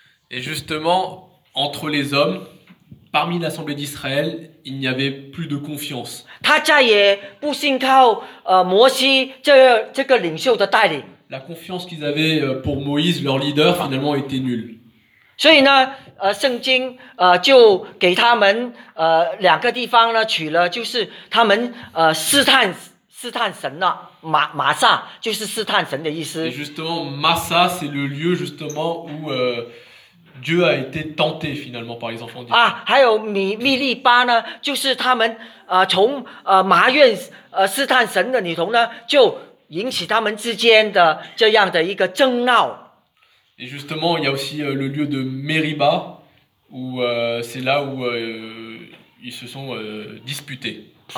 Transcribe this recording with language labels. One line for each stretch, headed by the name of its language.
French: Et justement, entre les hommes, parmi l'assemblée d'Israël, il n'y avait plus de confiance. La confiance qu'ils avaient pour Moïse, leur leader, finalement était nulle.
Chinese: 所以呢, 圣经, 就给他们, 两个地方呢, 取了, 就是他们, 试探, 试探神了, 马萨, 就是试探神的意思。
French: Et justement, Massa, c'est le lieu justement où Dieu a été tenté finalement par les enfants d'Israël.
Chinese: 还有米利巴呢, 就是他们, 从, 埋怨, 试探神的里头呢, 就引起他们之间的这样的一个争闹。
French: Et justement, il y a aussi le lieu de Meriba, où c'est là où ils se sont disputés.